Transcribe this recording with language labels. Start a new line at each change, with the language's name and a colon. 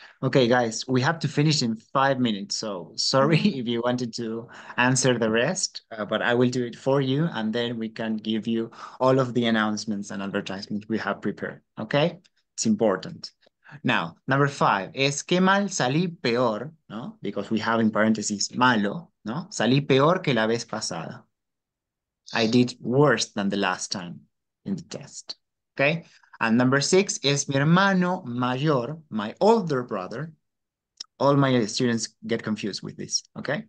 English: Okay, guys, we have to finish in 5 minutes, so sorry if you wanted to answer the rest, but I will do it for you, and then we can give you all of the announcements and advertisements we have prepared. Okay? It's important. Now, number five
Spanish: es que mal salí peor, ¿no?
English: Because we have in parentheses
Spanish: malo, ¿no? Salí peor que la vez pasada.
English: I did worse than the last time in the test. Okay? And number six
Spanish: es mi hermano mayor,
English: my older brother. All my students get confused with this, okay?